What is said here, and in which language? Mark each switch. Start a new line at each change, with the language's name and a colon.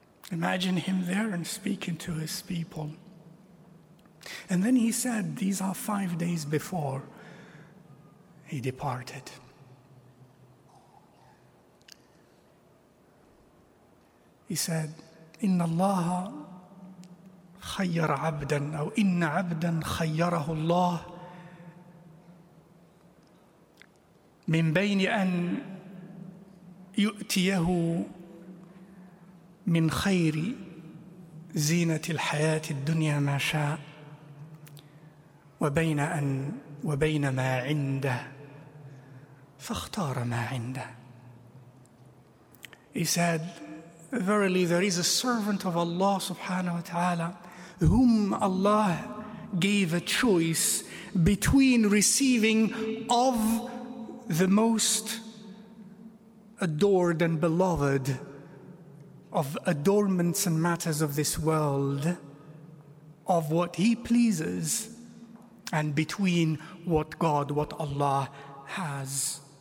English: Imagine him there and speaking to his people. And then he said, these are 5 days before he departed. He said,
Arabic: إِنَّ اللَّهَ خَيَّرَ عَبْدًا أَوْ إِنَّ عَبْدًا خَيَّرَهُ اللَّهَ مِنْ بَيْنِ أَنْ يُؤْتِيَهُ مِنْ خَيْرِ زِينَةِ الْحَيَاةِ الدُّنْيَا مَا شَاءَ وَبَيْنَ مَا عِنْدَهُ فَاخْتَارَ مَا عِنْدَهُ.
English: He said, verily, there is a servant of Allah subhanahu wa ta'ala whom Allah gave a choice between receiving of the most adored and beloved of adornments and matters of this world, of what he pleases, and between what God, what Allah has.